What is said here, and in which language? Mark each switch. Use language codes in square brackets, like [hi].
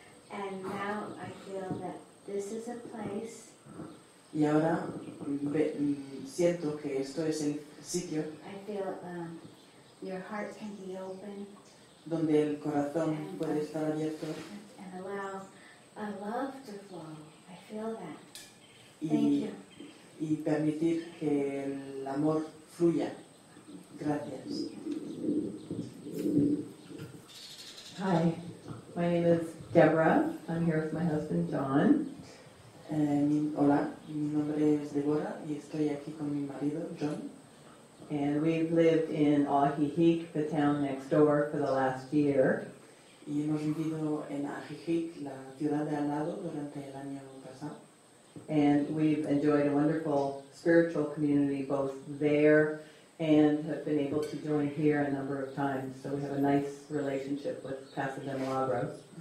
[en] And now I feel that this is a place. [es] Y ahora siento que esto es el sitio. [en] I feel your heart can be open. [es] Donde el corazón puede estar abierto. [en] And allow a love to flow. I feel that. Thank you. [es] Y permitir que el amor fluya. Gracias. [en] Hi, my name is Deborah. I'm here with my husband, John. [es] Hola, mi nombre es Deborah y estoy aquí con mi marido, John. [en] And we've lived in Ajijic, the town next door, for the last year. [es] Y hemos vivido en Ajijic, la ciudad de al lado, durante el año pasado. [en] And we've enjoyed a wonderful spiritual community both there and have been able to join here a number of times. So we have a nice relationship with Casa de Milagros.